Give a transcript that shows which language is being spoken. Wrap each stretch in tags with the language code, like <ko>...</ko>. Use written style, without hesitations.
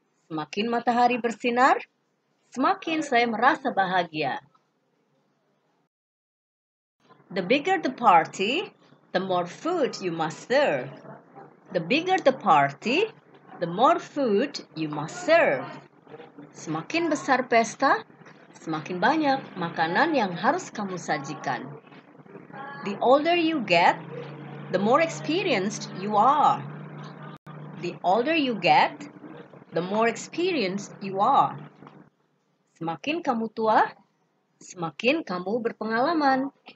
<id>Semakin matahari bersinar, semakin saya merasa bahagia.</id> <en>The bigger the party, the more food you must serve. The bigger the party, the more food you must serve.</en> <id>Semakin besar pesta, semakin banyak makanan yang harus kamu sajikan.</id> <en>The older you get, the more experienced you are. The older you get, the more experienced you are.</en> <id>Semakin kamu tua, semakin kamu berpengalaman.</id>